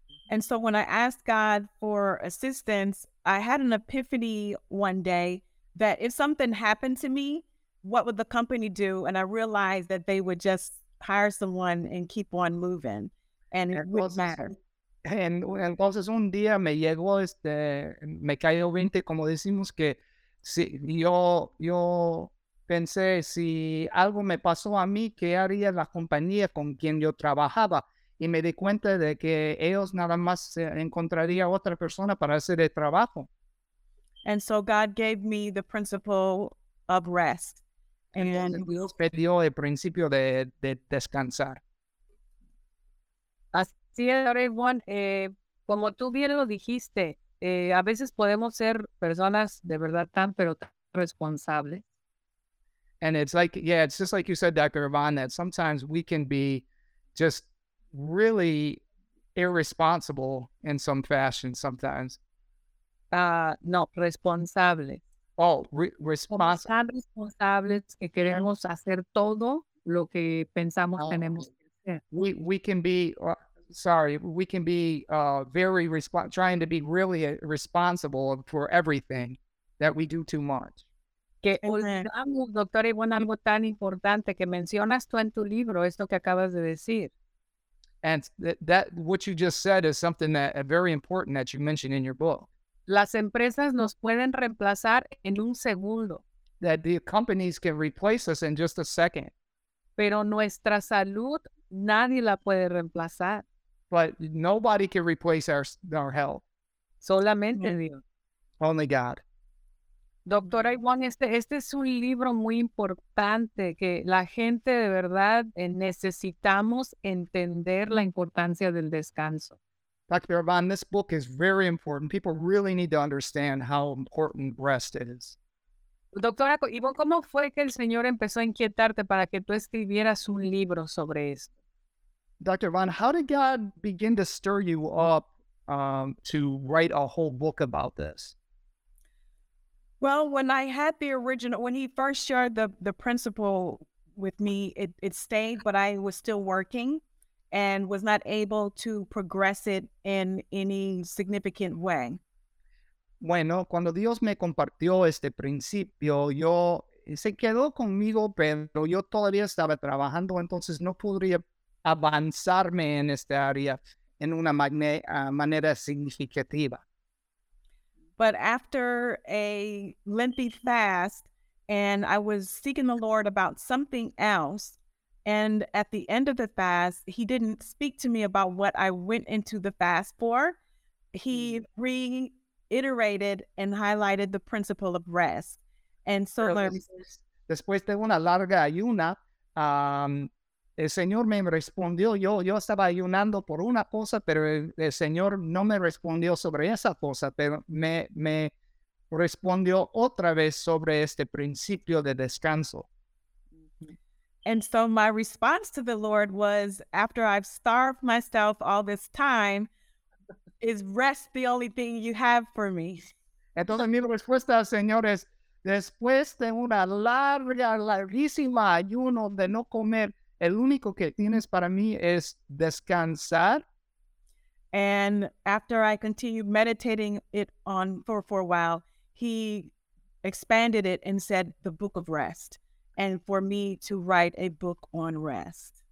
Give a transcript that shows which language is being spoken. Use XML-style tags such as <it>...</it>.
<en>And so when I asked God for assistance, I had an epiphany one day that if something happened to me, what would the company do? And I realized that they would just hire someone and keep on moving, and it wouldn't matter.</en> <es>Entonces un día me llegó me cayó 20, como decimos que si yo pensé si algo me pasó a mí, ¿qué haría la compañía con quien yo trabajaba? Y me di cuenta de que ellos nada más encontraría otra persona para hacer el trabajo.</es> <en>And so God gave me the principle of rest. And then</en> <es>Dios pidió el principio de descansar. Así es,</es> <en>everyone.</en> <es>Como tú bien lo dijiste, a veces podemos ser personas de verdad tan, pero tan responsables.</es> <en>And it's just like you said, Dr. Yvonne, that sometimes we can be just really irresponsible in some fashion sometimes.</en> <es>No, responsables. Oh, responsables. Están responsables que queremos hacer todo lo que pensamos tenemos que hacer.</es> <en>We can be, we can be trying to be really responsible for everything that we do too much.</en> <es>Que olvidamos, doctora Ivonne, algo tan importante que mencionas tú en tu libro, esto que acabas de decir.</es> <en>And that what you just said is something that very important that you mentioned in your book.</en> <es>Las empresas nos pueden reemplazar en un segundo.</es> <en>That the companies can replace us in just a second.</en> <es>Pero nuestra salud nadie la puede reemplazar.</es> <en>But nobody can replace our health.</en> <es>Solamente Dios.</es> <en>Only God.</en> <es>Doctora Ivonne, este es un libro muy importante que la gente de verdad necesitamos entender la importancia del descanso.</es> <en>Dr. Ivonne, this book is very important. People really need to understand how important rest is.</en> <es>Doctora Ivonne, ¿cómo fue que el Señor empezó a inquietarte para que tú escribieras un libro sobre esto?</es> <en>Dr. Ivonne, how did God begin to stir you up to write a whole book about this? Well, when I had the original, when he first shared the principle with me, it stayed, but I was still working and was not able to progress it in any significant way.</en> <es>Bueno, cuando Dios me compartió este principio, yo se quedó conmigo, pero yo todavía estaba trabajando, entonces no podría avanzarme en esta área en una manera significativa.</es> <en>But after a lengthy fast, and I was seeking the Lord about something else, and at the end of the fast, he didn't speak to me about what I went into the fast for. He reiterated and highlighted the principle of rest. And so</en> <es>después de una larga ayuna, el Señor me respondió, yo estaba ayunando por una cosa, pero el Señor no me respondió sobre esa cosa, pero me respondió otra vez sobre este principio de descanso.</es> <en>And so my response to the Lord was, after I've starved myself all this time, is rest the only thing you have for me?</en> <es>Entonces mi respuesta, señores, después de una larga, larguísima ayuno de no comer, el único que tienes para mí es descansar.</es> <en>And after I continued meditating it on for a while, he expanded it and said the book of rest, and for me to write a book on rest.</en>